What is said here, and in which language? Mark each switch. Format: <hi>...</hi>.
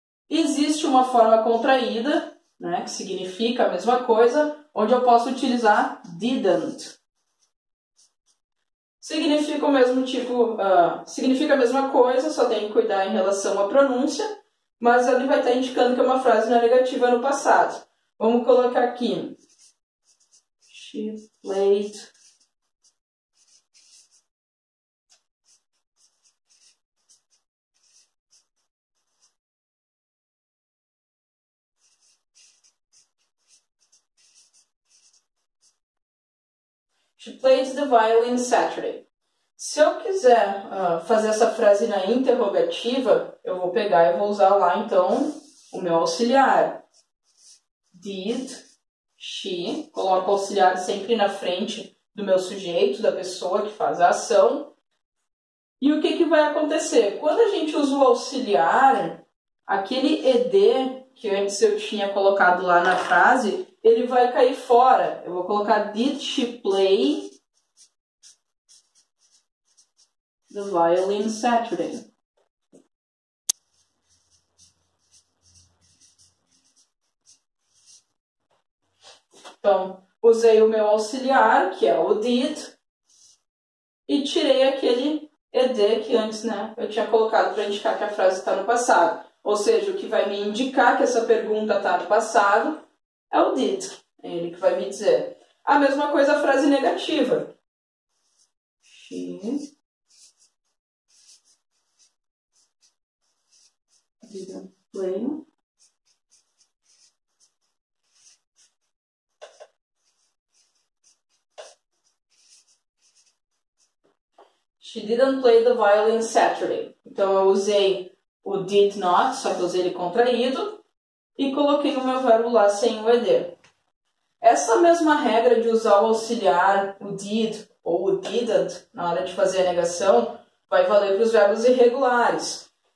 <pt>Existe uma forma contraída, né, que significa a mesma coisa, onde eu posso utilizar didn't. Significa a mesma coisa, só tem que cuidar em relação à pronúncia, mas ele vai estar indicando que é uma frase na negativa no passado. Vamos colocar aqui.</pt> <en>She played the violin Saturday.</en> <pt>Se eu quiser fazer essa frase na interrogativa, eu vou pegar e vou usar lá então o meu auxiliar.</pt> <en>Did she?</en> <pt>Coloco o auxiliar sempre na frente do meu sujeito, da pessoa que faz a ação. E o que que vai acontecer? Quando a gente usa o auxiliar, aquele ED que antes eu tinha colocado lá na frase, ele vai cair fora. Eu vou colocar</pt> <en>Did she play the violin Saturday?</en> <pt>Então, usei o meu auxiliar, que é o did, e tirei aquele ed que antes, né, eu tinha colocado para indicar que a frase está no passado. Ou seja, o que vai me indicar que essa pergunta está no passado é o did, ele que vai me dizer. A mesma coisa a frase negativa.</pt> <en>She didn't play. She didn't play the violin Saturday.</en> <pt>Então eu usei o did not, só que usei ele contraído, e coloquei no meu verbo lá sem o ed. Essa mesma regra de usar o auxiliar, o did ou o didn't, na hora de fazer a negação, vai valer para os verbos irregulares.</pt>